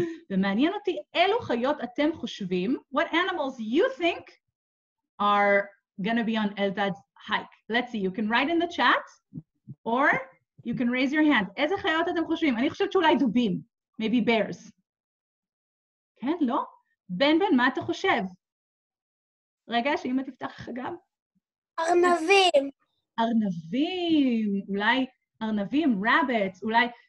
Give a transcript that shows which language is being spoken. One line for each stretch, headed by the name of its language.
Hebrew: ומעניין אותי, אילו חיות אתם חושבים,
English: what animals you think are gonna be on Eldad's hike? Let's see, you can write in the chat, or you can raise your hand.
Hebrew: איזה חיות אתם חושבים? אני חושבת שאולי דובים,
English: maybe bears.
Hebrew: כן, לא? בן, מה אתה חושב? רגע, שאמא תפתח לך גם. ארנבים. ארנבים, אולי ארנבים,
English: rabbits,
Hebrew: אולי...